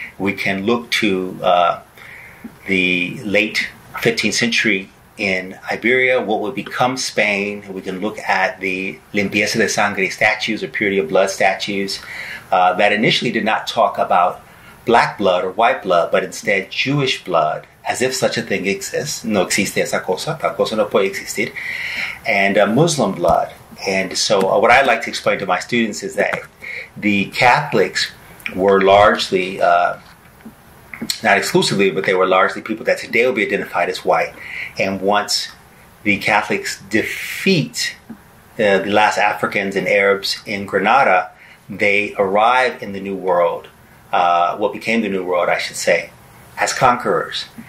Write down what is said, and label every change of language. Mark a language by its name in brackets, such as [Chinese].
[English] We can look to the late 15th century in Iberia, what would become Spain. We can look at the Limpieza de Sangre statues or purity of blood statues that initially did not talk about black blood or white blood, but instead Jewish blood, as if such a thing exists. [Spanish] No existe esa cosa, tal cosa no puede existir. [English] And Muslim blood. And so what I like to explain to my students is that the Catholics were largely, not exclusively, but they were largely people that today will be identified as white. And once the Catholics defeat the last Africans and Arabs in Granada, they arrive in the New World, what became the New World, I should say, as conquerors.